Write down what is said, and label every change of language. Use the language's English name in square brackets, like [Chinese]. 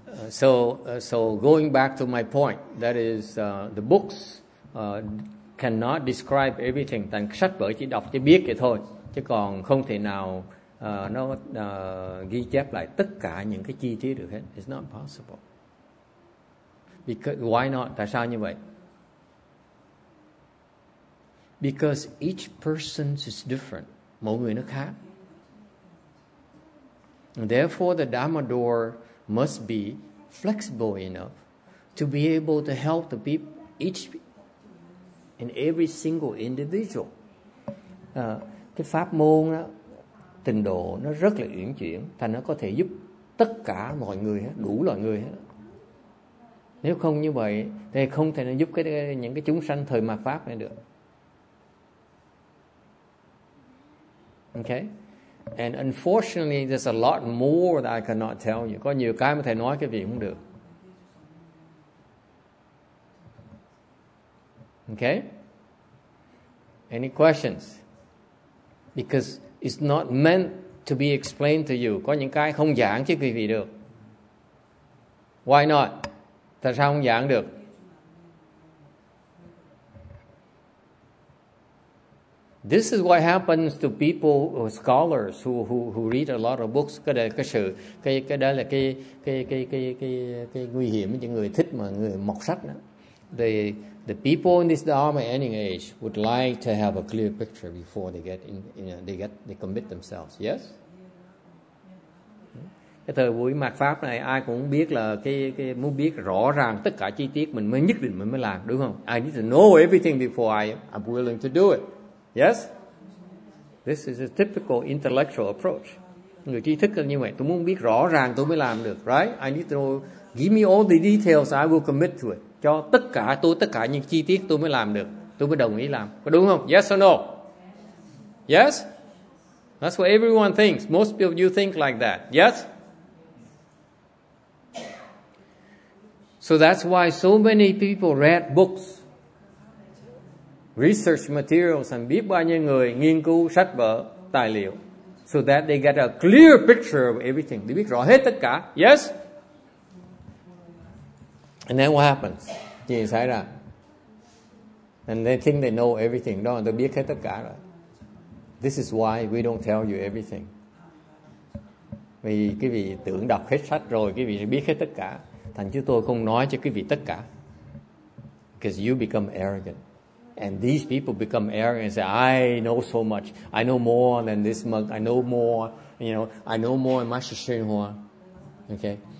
[English] So going back to my point, that is the books cannot describe everything. [Vietnamese] Tại sách vở chỉ đọc chỉ biết vậy thôi, chứ còn không thể nào nó ghi chép lại tất cả những cái chi tiết được hết. [English] It's not possible. Because why not? [Vietnamese] Tại sao như vậy? [English] Because each person is different. [Vietnamese] Mỗi người nó khác. [English] Therefore, the Dharma door must be flexible enough to be able to help the people, each and every single individual. [Vietnamese] Cái pháp môn đó, tình độ nó rất là uyển chuyển, thành nó có thể giúp tất cả mọi người hết, đủ loại người hết. Nếu không như vậy, thì không thể nó giúp những cái chúng sanh thời mạt pháp này được. [English] Okay. And unfortunately, there's a lot more that I cannot tell you. [Vietnamese] Có nhiều cái mà thầy nói cái gì cũng được. [English] Okay? Any questions? Because it's not meant to be explained to you. [Vietnamese] Có những cái không giảng cho quý vị được. [English] Why not? [Vietnamese] Tại sao không giảng được? [English] This is what happens to people, scholars who read a lot of books. [Vietnamese] Cái nguy hiểm cho người thích mà người mọc sách đó. [English] The people in this Dharma ending age would like to have a clear picture before they get in, you know, they commit themselves. Yes. [Vietnamese] Cái thời buổi mạt pháp này ai cũng biết là cái muốn biết rõ ràng tất cả chi tiết mình mới nhất định mình mới làm, đúng không? [English] I need to know everything before I'm willing to do it. Yes, this is a typical intellectual approach. [Vietnamese] Người trí thức là như vậy. Tôi muốn biết rõ ràng tôi mới làm được, right? [English] I need to know, give me all the details. I will commit to it. [Vietnamese] Cho tất cả những chi tiết tôi mới làm được. Tôi mới đồng ý làm. Có đúng không? [English] Yes or no? Yes. That's what everyone thinks. Most people you think like that. Yes. So that's why so many people read books. Research materials and [Vietnamese] biết bao nhiêu người nghiên cứu sách vở tài liệu, [English] so that they get a clear picture of everything. [Vietnamese] Để biết rõ hết tất cả. [English] Yes. And then what happens? [Vietnamese] Gì xảy ra? [English] And they think they know everything. [Vietnamese] Đó, tôi biết hết tất cả rồi. [English] This is why we don't tell you everything. [Vietnamese] Vì quý vị tưởng đọc hết sách rồi, quý vị sẽ biết hết tất cả. Thành chứ tôi không nói cho quý vị tất cả. [English] Because you become arrogant. And these people become arrogant and say, I know so much. I know more than this monk. I know more, you know, I know more than Master Shenhua. Okay?